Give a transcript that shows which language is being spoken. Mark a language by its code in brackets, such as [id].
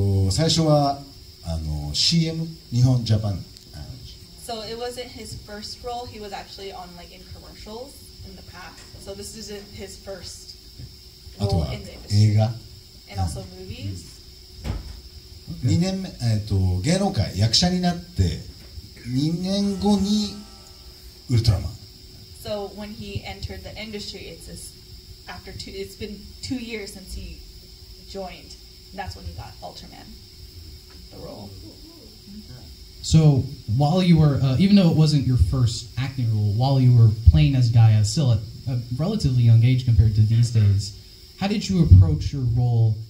[ja] 最初はあの CM 日本ジャパン。 [en] So it wasn't his first role. He was actually on like in commercials in the past. So this isn't his first role in the industry. [ja] 映画。 [en] And also movies. [ja] Okay. 2年目、芸能界役者になって2年後にウルトラマン。 [en] So when he entered the industry, it's been 2 years since he joined. That's when he got Ultraman, the role. So while you were, even though it wasn't your first acting role, while you were playing as Gaia, still at a relatively young age compared to these days, how did you approach your role?